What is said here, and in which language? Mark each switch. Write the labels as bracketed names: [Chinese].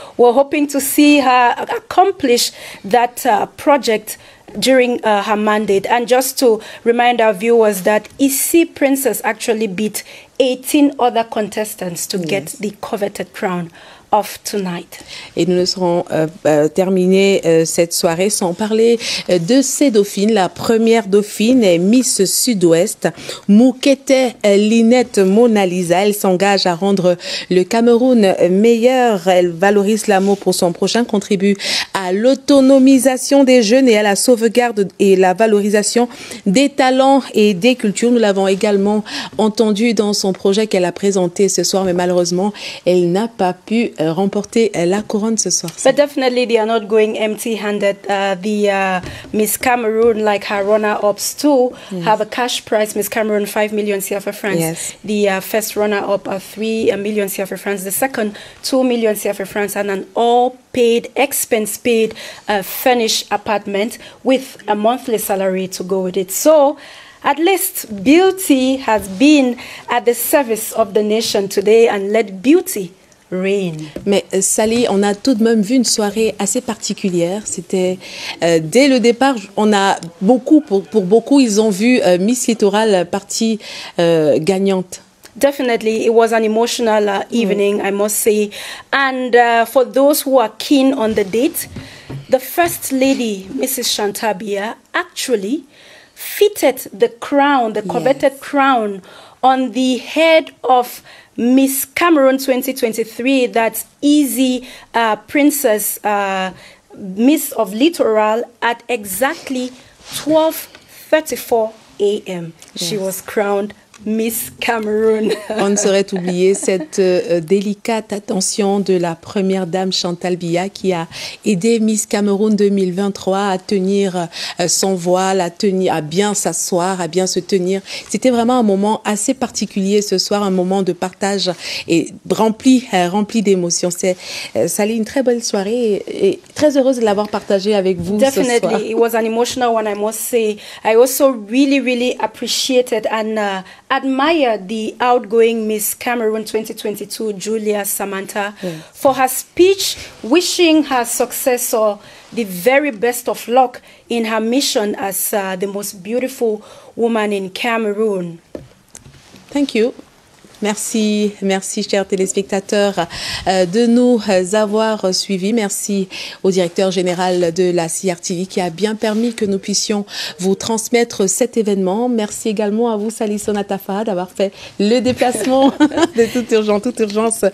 [English] We're hoping to see her accomplish that project during her mandate. And just to remind our viewers that Issy Princess actually beat 18 other contestants to get the coveted crown of tonight. [French] Et nous ne serons terminés cette soirée sans parler de ces dauphines. La première dauphine est Miss Sud-Ouest, Moukété Linette Mona Lisa. Elle s'engage à rendre le Cameroun meilleur. Elle valorise l'amour pour son prochain, contribue à l'autonomisation des jeunes et à la sauvegarde et la valorisation des talents et des cultures. Nous l'avons également entendu dans son projet qu'elle a présenté ce soir, mais malheureusement, elle n'a pas pu remporter la couronne ce soir. [English] But definitely they are not going empty-handed. The Miss Cameroon, like her runner-ups too, have a cash prize. Miss Cameroon, 5 million CFA francs. Yes. The first runner-up, 3 million CFA francs. The second, 2 million CFA francs, and an all-paid, expense-paid furnished apartment with a monthly salary to go with it. So, at least beauty has been at the service of the nation today, and let beauty rain. [French] Mais Sally, on a tout de même vu une soirée assez particulière. C'était dès le départ, on a beaucoup, pour beaucoup, ils ont vu Miss Littoral partie gagnante. [English] Definitely, it was an emotional evening, I must say. And for those who are keen on the date, the first lady, Mrs. Chantabia, actually fitted the crown, the coveted crown, on the head of Miss Cameroon 2023, that's Easy Princess, Miss of Littoral, at exactly 12:34 a.m. She was crowned Miss Cameroon. [French] On ne saurait oublier cette délicate attention de la première dame Chantal Biya, qui a aidé Miss Cameroon 2023 à tenir son voile, à bien s'asseoir, à bien se tenir. C'était vraiment un moment assez particulier ce soir, un moment de partage et rempli d'émotions. C'est Sally, une très bonne soirée et très heureuse de l'avoir partagée avec vous. [English] Definitely, [French] ce soir. [English] It was an emotional one, I must say. I also really, really appreciated and admire the outgoing Miss Cameroon 2022, Julia Samantha, for her speech wishing her successor the very best of luck in her mission as the most beautiful woman in Cameroon. Thank you. [French] Merci, merci chers téléspectateurs de nous avoir suivis. Merci au directeur général de la CRTV qui a bien permis que nous puissions vous transmettre cet événement. Merci également à vous Salissona Tafa d'avoir fait le déplacement de toute urgence